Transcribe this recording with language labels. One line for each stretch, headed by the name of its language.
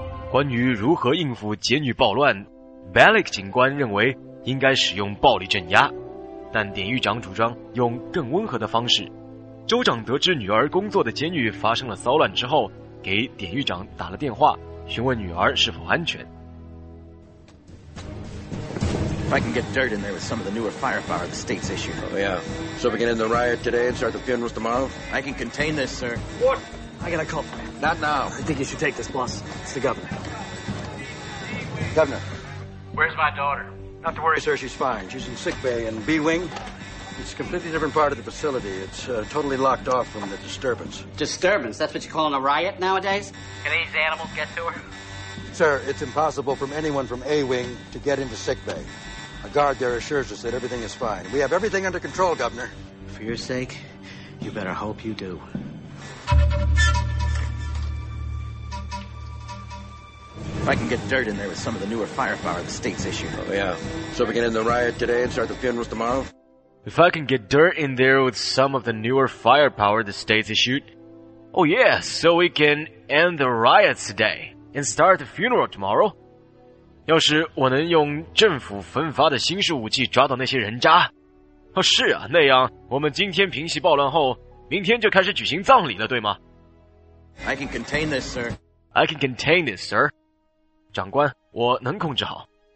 Chinese: 关于如何应付劫女暴乱， Balik 警官认为应该使用暴力镇压，但典狱长主张用更温和的方式。州长得知女儿工作的劫女发生了骚乱之后，给典狱长打了电话，询问女儿是否安全。
English: If I can get dirt in there with some of the newer firepower the state's issued. Oh yeah, so we get in the riot today and start the funerals tomorrow? I can contain this, sir. What? I got a call for you. Not now. I think you should take this, boss. It's the governor. Governor. Where's my daughter? Not to worry, sir. She's fine. She's in sick bay in B-Wing. It's a completely different part of the facility. It's totally locked off from the disturbance. Disturbance? That's what you're calling a riot nowadays? Can these animals get to her? Sir, it's impossible for anyone from A-Wing to get into sick bay. A guard there assures us that everything is fine. We have everything under control, Governor. For your sake, you better hope you do. If I can get dirt in there with some of the newer firepower the state's issued. Oh yeah, so we get in the riot today and start the funerals tomorrow? If I can get dirt in there with some of the newer firepower the state's issued. Oh yeah, so we can end the riots today and start the funeral tomorrow?
Chinese: 要是我能用政府分发的新式武器抓到那些人渣。哦是啊，那样我们今天平息暴乱后，明天就开始举行葬礼了，对吗？
English: I can contain this, sir. I can contain this, sir.
Chinese: 长官，我能控制好。